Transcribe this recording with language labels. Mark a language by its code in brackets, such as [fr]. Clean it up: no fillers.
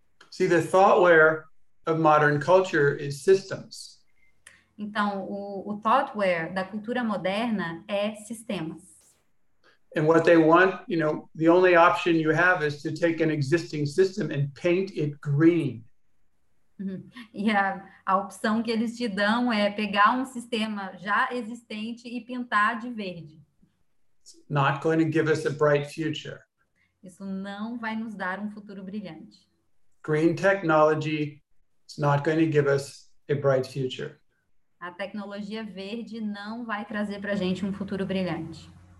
[en] See, the thoughtware of modern culture is systems. [pt] Então, o thoughtware da cultura moderna é sistemas. [en] And what they want, you know, the only option you have is to take an existing system and paint it green. Uhum. [pt] E a opção que eles te dão é pegar um sistema já existente e pintar de verde. [en] It's not going to give us a bright future. [pt] Isso não vai nos dar um futuro brilhante. [en] Green technology is not going to give us a bright future. [pt] A tecnologia verde não vai trazer para a gente um futuro brilhante.